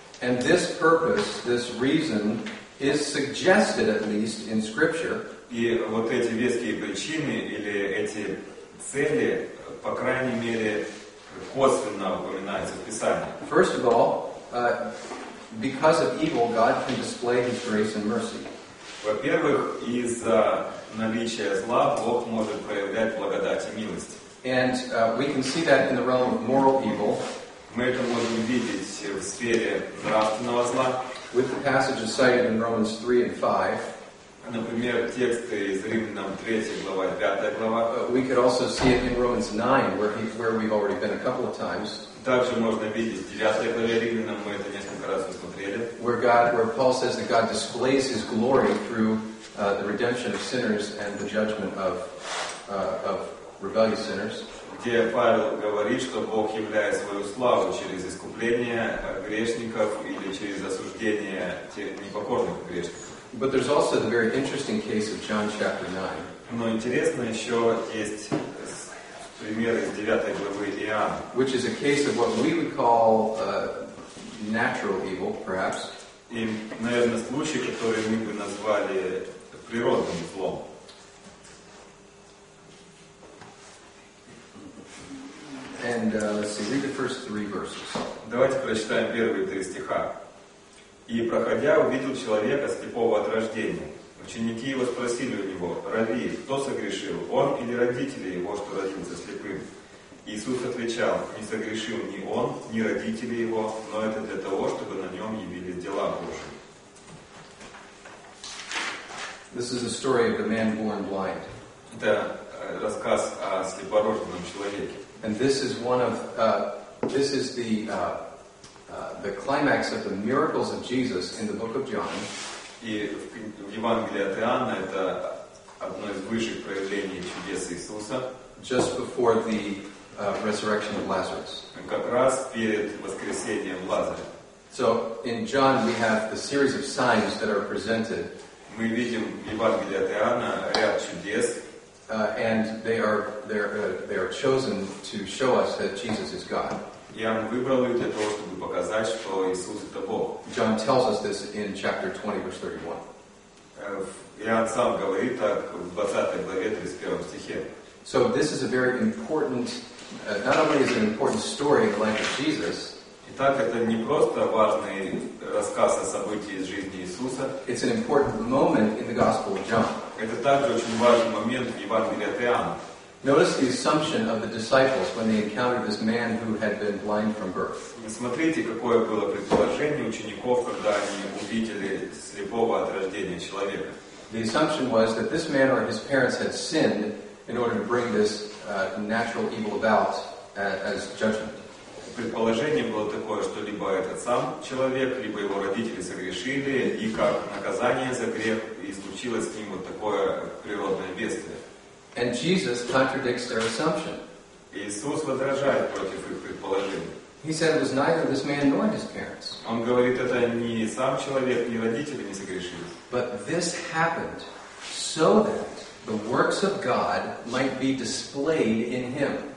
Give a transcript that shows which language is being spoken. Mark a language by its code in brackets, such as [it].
[en] And this purpose, this reason is suggested at least in Scripture. [ru] И вот эти веские причины или эти цели, по крайней мере, косвенно упоминаются в Писании. [en] First of all, because of evil, God can display His grace and mercy. [ru] Во-первых, из-за наличия зла Бог может проявлять благодать и милость. [en] And we can see that in the realm of moral evil. [ru] Мы это можем видеть в сфере нравственного зла. [en] With the passages cited in Romans 3 and 5. [ru] Например, тексты из Римлянам 3 глава, 5 глава. [en] We could also see it in Romans 9, where we've already been a couple of times. [ru] Также можно видеть в 9 главе Римлянам, мы это несколько раз посмотрели. [en] Where Paul says that God displays His glory through the redemption of sinners and the judgment of rebellious sinners. [ru] Где Павел говорит, что Бог являет свою славу через искупление грешников или через осуждение тех непокорных грешников. [en] But there's also the very interesting case of John chapter 9. [ru] Но интересно еще есть пример из 9 главы Иоанна. [en] Which is a case of what we would call natural evil, perhaps. [ru] И, наверное, случай, который мы бы назвали природным злом. [en] And let's see, read the first three verses. [ru] Давайте прочитаем первые три стиха. «И, проходя, увидел человека слепого от рождения. Ученики его спросили у него: Рави, кто согрешил, он или родители его, что родился слепым? Иисус отвечал: не согрешил ни он, ни родители его, но это для того, чтобы на нем явились дела Божьи». [en] This is the story of the man born blind. [ru] Это рассказ о слепорожденном человеке. [en] And this is one of this is the climax of the miracles of Jesus in the book of John. [ru] И в Евангелии от Иоанна это одно из высших проявлений чудес Иисуса. [en] Just before the resurrection of Lazarus. [ru] Как раз перед воскресением Лазаря. [en] So in John we have the series of signs that are presented. [ru] Мы видим в Евангелии от Иоанна ряд чудес. [en] And they are chosen to show us that Jesus is God. [ru] Иоанн выбрал их для того, чтобы показать, что Иисус это Бог. [en] John tells us this in chapter 20, verse 31. [ru] Иоанн сам говорит так в 20 главе 31 стихе. [en] So this is a very important, not only is it an important story of the life of Jesus. [ru] Итак, это не просто важный рассказ о событии из жизни Иисуса. [en] It's an important moment in the Gospel of John. [ru] Это также очень важный момент в Евангелии от Иоанна. [en] Notice the assumption of the disciples when they encountered this man who had been blind from birth. [ru] Смотрите, какое было предположение учеников, когда они увидели слепого от рождения человека. [en] The assumption was that this man or his parents had sinned in order to bring this natural evil about as judgment. [ru] Предположение было такое, что либо этот сам человек, либо его родители согрешили, и как наказание за грех, и случилось с ним вот такое природное бедствие. [en] And Jesus contradicts their assumption. [ru] Иисус возражает против их предположения. [en] He said it was neither this man nor his parents. [ru] Он говорит, это не сам человек, ни родители не согрешили. [en] But this happened so that the works of God might be displayed in him.